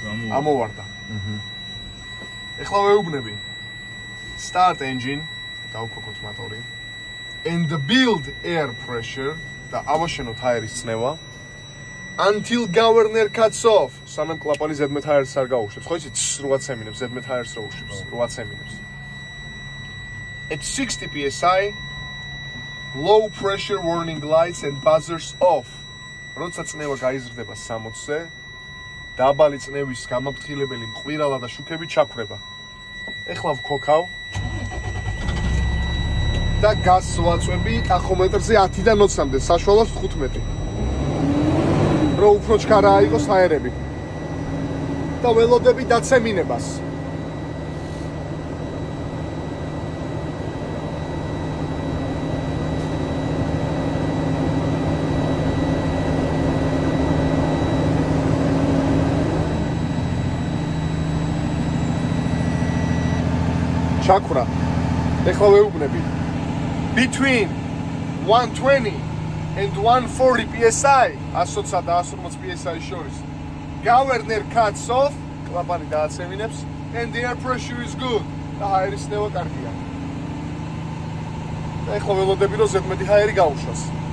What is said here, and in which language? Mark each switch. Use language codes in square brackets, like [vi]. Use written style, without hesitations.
[ka] ამოვარდა. ეხლა ვეუბნები. [en] Start engine, [ka] დაუქოქოთ მოტორი. [en] And the build air pressure, [ka] და ავაშენოთ ჰაერის წნევა. [en] Until governor cuts off. [ka] სანამ კლაპანი ზედმეტ ჰაერს არ გაუშვებს. ხო იცით, რვაცემინებს ზედმეტ ჰაერს რო უშვებს, რვაცემინებს. [en] At 60 psi, low pressure warning lights and buzzers off. [ka] როცა წნევა გაიზრდება 60-ზე, დაბალი წნევის გამაფრთხილებელი მყვირალა და შუქები ჩაქრება. ეხლა ვქოქავ და გაზს ვაწვევი ტახომეტრზე 10-დან 20-მდე, საშუალოს 15. რო უფრო ჩქარა აიღოს აერები. და ველოდები დაცემინებას. Chakura. ეხლა ვეუბნები. [en] Between 120 and 140 psi, [ka] 100-სა და 150 psi შორის. [en] Governor cuts off, [ka] კლაპანი დააცემინებს [en] and the air pressure is good. [ka] და ჰაერის ნევა კარგია. და ეხლა ველოდები რომ ზედმეტი ჰაერი გაუშვას.